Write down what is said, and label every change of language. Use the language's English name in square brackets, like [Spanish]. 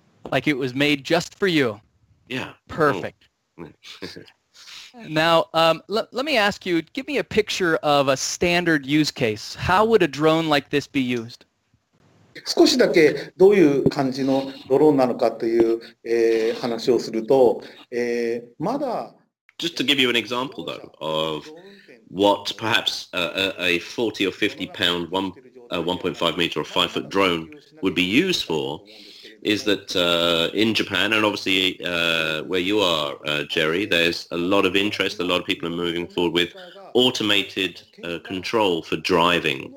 [English] Like it was made just for you. Yeah. Perfect. Now, let me ask you, give me a picture of a standard use case. How would a drone like this be used? [Japanese] 少しだけどういう感じのドローンなのかという、話をすると、まだ… [English] Just to give you an example, though, of what perhaps a 40 or 50 pound one a 1.5 meter or 5 foot drone would be used for is that in Japan, and obviously where you are, Jerry, there's a lot of interest, a lot of people are moving forward with automated control for driving.